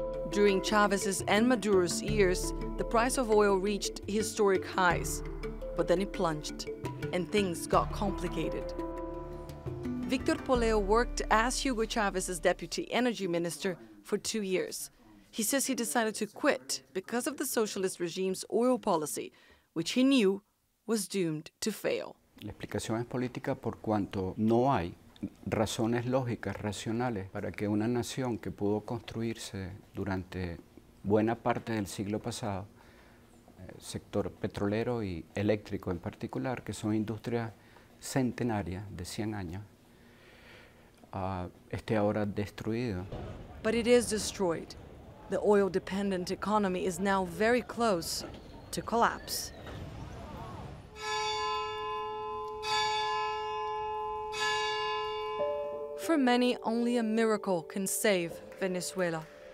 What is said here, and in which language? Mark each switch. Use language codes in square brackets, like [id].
[en] During Chavez's and Maduro's years, the price of oil reached historic highs, but then it plunged and things got complicated. Victor Poleo worked as Hugo Chavez's deputy energy minister for 2 years. He says he decided to quit because of the socialist regime's oil policy, which he knew was doomed to fail. [es] La explicación es política por cuanto no hay razones lógicas, racionales, para que una nación que pudo construirse durante buena parte del siglo pasado, sector petrolero y eléctrico en particular, que son industrias centenarias de 100 años, esté ahora destruido. [en] But it is destroyed. The oil-dependent economy is now very close to collapse. For many, only a miracle can save Venezuela.